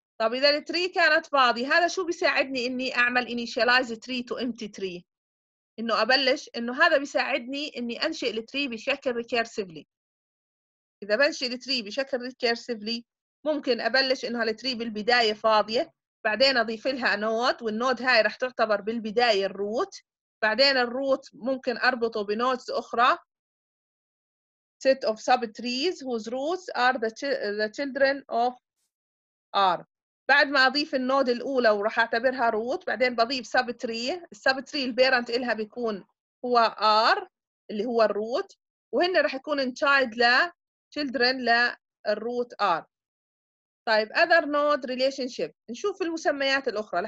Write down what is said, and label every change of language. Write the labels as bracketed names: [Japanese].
[Arabic] طب إذا التري كانت فاضية هذا شو بيساعدني إني أعمل [English] initialize tree to empty tree؟ [Arabic] إنه أبلش إنه هذا بيساعدني إني أنشئ التري بشكل recursively. إذا بنشئ التري بشكل recursively ممكن أبلش إنه هالتري بالبداية فاضية، بعدين أضيف لها نود، والنود هاي رح تعتبر بالبداية الروت، بعدين الروت ممكن أربطه بنودز أخرى. [English] Set of subtrees whose roots are the children of R. [Arabic] بعد ما أضيف النود الأولى وراح أعتبرها روت، بعدين بضيف سب تري، السب تري البيرنت إلها بيكون هو R اللي هو الروت، وهن راح يكون in child لا children لا الروت R. طيب [English] other node relationship [Arabic] نشوف المسميات الأخرى.